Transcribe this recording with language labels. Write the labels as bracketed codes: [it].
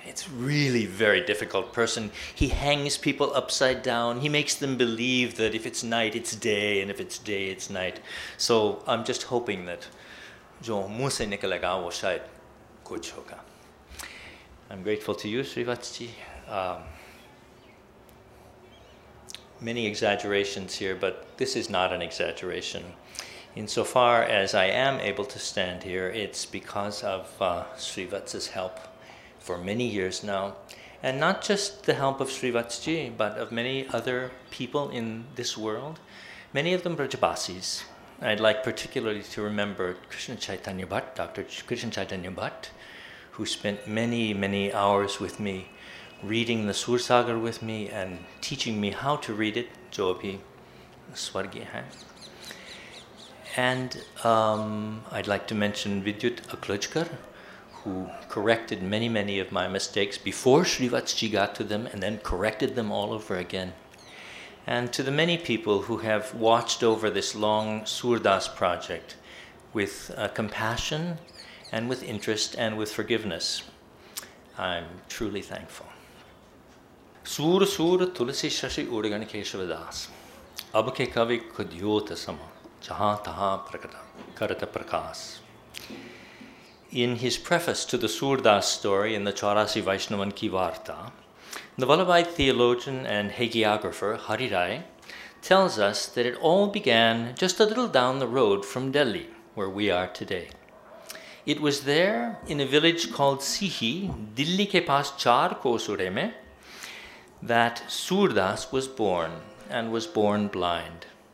[en] It's really very difficult person. He hangs people upside down. He makes them believe that if it's night it's day and if it's day it's night. So I am just hoping that [hi] जो मुँह से निकलेगा वो शायद कुछ होगा. [en] I am grateful to you Srivatsa ji. Many exaggerations here, but this is not an exaggeration. Insofar as I am able to stand here, it's because of Srivatsa's help for many years now. And not just the help of Srivatsji, but of many other people in this world, many of them Brajabasis. I'd like particularly to remember Krishna Chaitanya Bhatt, Dr. Krishna Chaitanya Bhatt, who spent many, many hours with me reading the Sur Sagar with me and teaching me how to read it, [hi] jo abhi swargi hai. [en] And I'd like to mention Vidyut Aklojkar, who corrected many, many of my mistakes before Srivatsji got to them and then corrected them all over again. And to the many people who have watched over this long Surdas project with compassion and with interest and with forgiveness, I'm truly thankful. [bra] सूर सूर तुलसी शशि उड़गण केशव दास, अब के कवि खुद्योत सम जहाँ तहाँ प्रकट करत प्रकाश. [en] In his preface to the Surdas story in the Chaurasi Vaishnavan Ki Varta, the Vallabhai theologian and hagiographer Hari Rai tells us that it all began just a little down the road from Delhi, where we are today. It was there, in a village called Sihi, [hi] Dilli ke pas char kosure mein, [en] that Surdas was born, and was born blind.